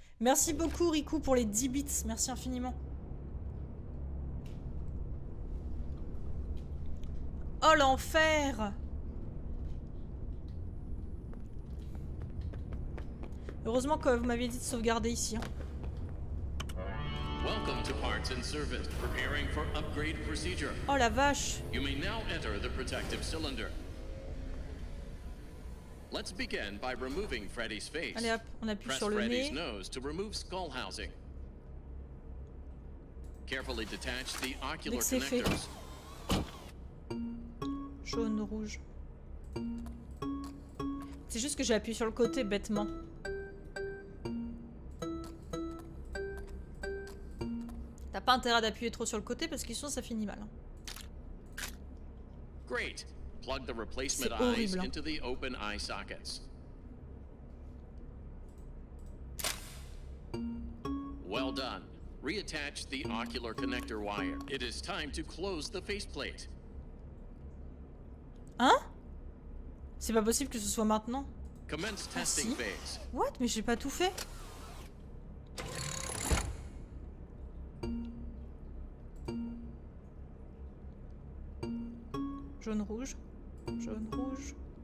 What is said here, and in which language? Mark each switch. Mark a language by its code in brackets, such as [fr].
[fr] Merci beaucoup, Riku, pour les 10 bits. Merci infiniment. Oh l'enfer! Heureusement que vous m'aviez dit de sauvegarder ici. Hein. [en] Welcome to parts and service, preparing for upgrade procedure. [fr] Oh la vache! [en] You may now enter the protective cylinder. Let's begin by removing Freddy's face. [fr] Allez hop, on appuie [en] press [fr] sur le nez. [en] Freddy's nose to remove skull housing. Carefully detach the ocular connectors. [fr] Fait. Jaune, rouge. C'est juste que j'ai appuyé sur le côté bêtement. T'as pas intérêt d'appuyer trop sur le côté parce que sinon ça finit mal. [en] Great. Plug the replacement eyes into the open eye sockets. Well done. Reattach the ocular connector wire. It is time to close the faceplate. [fr] Hein? C'est pas possible que ce soit maintenant. [en] Commence testing phase. What? [fr] Mais j'ai pas tout fait. Jaune rouge. Jaune rouge.